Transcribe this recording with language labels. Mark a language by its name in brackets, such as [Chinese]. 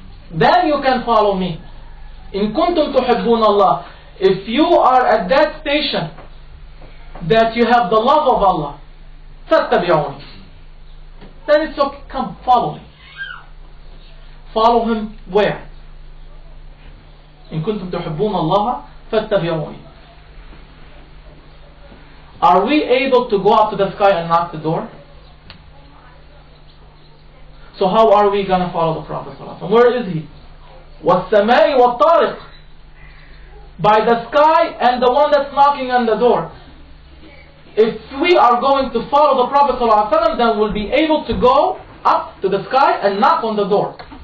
[English] Then you can follow me. [Arabic] In kuntum tuhibbun Allah, [English] if you are at that station that you have the love of Allah, fattabi'uni, then it's okay, come follow me. Follow him where? [Arabic] إن كنتم تحبون الله فاتبعوني. [English] Are we able to go up to the sky and knock the door? So how are we going to follow the Prophet [Arabic] صلى الله عليه وسلم? [English] Where is he? [Arabic] والسماء والطارق. [English] By the sky and the one that's knocking on the door. If we are going to follow the Prophet [Arabic] صلى الله عليه وسلم, [English] then we'll be able to go up to the sky and knock on the door.